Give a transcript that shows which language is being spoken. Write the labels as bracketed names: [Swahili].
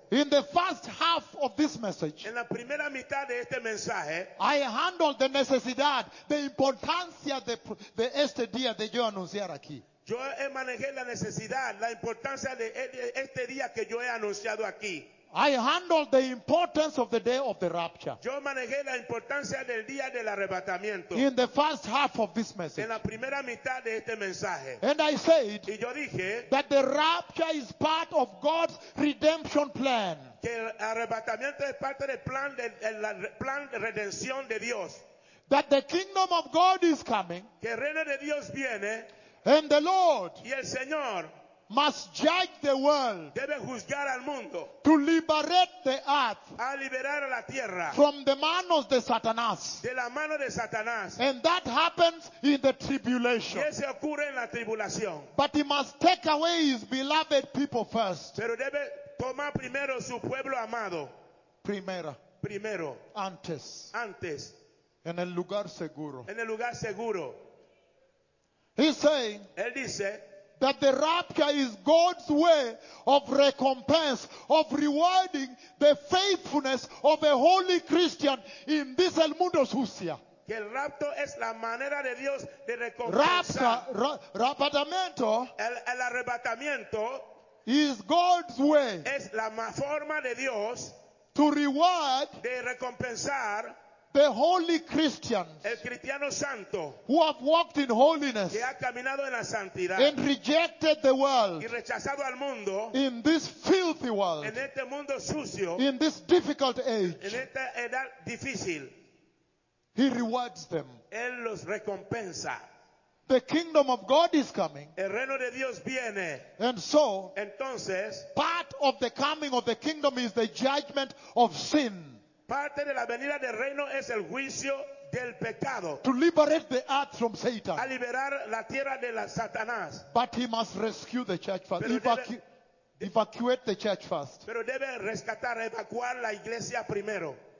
[English] In the first half of this message. [Spanish] En la primera mitad de este mensaje. [English] I handle the [Spanish] necesidad, the importancia de este día de yo anunciar aquí. Yo he manejado la necesidad, la importancia de este día que yo he anunciado aquí. [English] I handled the importance of the day of the rapture. [Spanish] Yo manejé la importancia del día del arrebatamiento. [English] In the first half of this message. [Spanish] En la primera mitad de este mensaje. [English] And I said. [Spanish] Y yo dije. [English] That the rapture is part of God's redemption plan. [Spanish] Que el arrebatamiento es parte del plan plan de redención de Dios. [English] That the kingdom of God is coming. [Spanish] Que el reino de Dios viene. [English] And the Lord [Spanish] y el Señor [English] must judge the world, [Spanish] debe juzgar al mundo, [English] to liberate the earth, [Spanish] a liberar a la tierra, [English] from the [Spanish] manos de Satanás, de la mano de Satanás, [English] and that happens in the tribulation. [Spanish] Y eso ocurre en la tribulación. [English] But he must take away his beloved people first. [Spanish] Pero debe tomar primero su pueblo amado. Primera. Primero. Antes. Antes. En el lugar seguro. En el lugar seguro. [English] He's saying [Spanish] él dice, [English] that the rapture is God's way of recompense, of rewarding the faithfulness of a holy Christian in this [Spanish] el mundo sucia. Que el rapto es la manera de Dios de recompensar. [English] Rapture, arrebatamiento. [Spanish] El arrebatamiento [English] is God's way. [Spanish] Es la forma de Dios [English] to reward [Spanish] de recompensar. [English] The holy Christians, [Spanish] el cristiano santo, [English] who have walked in holiness, [Spanish] que ha caminado en la santidad, [English] and rejected the world, [Spanish] y rechazado al mundo, [English] in this filthy world, [Spanish] en este mundo sucio, [English] in this difficult age, [Spanish] en esta edad difícil, [English] he rewards them. [Spanish] Él los recompensa. [English] The kingdom of God is coming. [Spanish] El reino de Dios viene. [English] And so, [Spanish] entonces, [English] part of the coming of the kingdom is the judgment of sin. [Spanish] Parte de la venida del reino es el juicio del pecado. [English] To liberate the earth from Satan. [Spanish] A liberar la tierra de la Satanás. [English] But he must rescue the church first. Evacuate the church first. [Spanish] Pero debe rescatar, evacuar la iglesia primero.